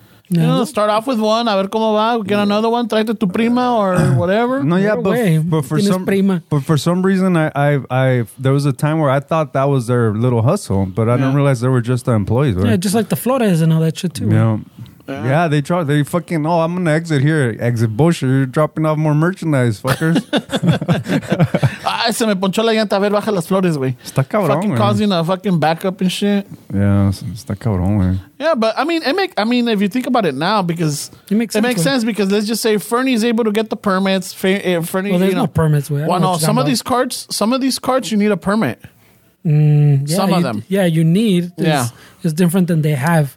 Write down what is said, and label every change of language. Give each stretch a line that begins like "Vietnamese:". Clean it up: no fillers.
English: No. You know, start off with one,
Spanish: a ver cómo va,
English: get another one,
Spanish: trae tu prima
English: or whatever. No, yeah, but for some reason, there was a time where I thought that was their little hustle, but I didn't realize they were just the employees. Right? Yeah, just like the Flores and all that shit too. Yeah, right? Yeah, they try. They fucking, oh, I'm going to exit here. Exit Busher, you're dropping off more merchandise, fuckers.
Spanish: Ay, se me ponchó la llanta, a ver, baja las flores, güey. Está cabrón,
English: fucking man. Causing a fucking backup and shit.
Spanish: Yeah, está cabrón, güey.
English: Yeah, but I mean, if you think about it now, because it makes sense because let's just say Fernie's able to get the permits. Fernie, well, there's you know, no permits, güey. Well, no, some of these carts, you need a permit. It's different than they have.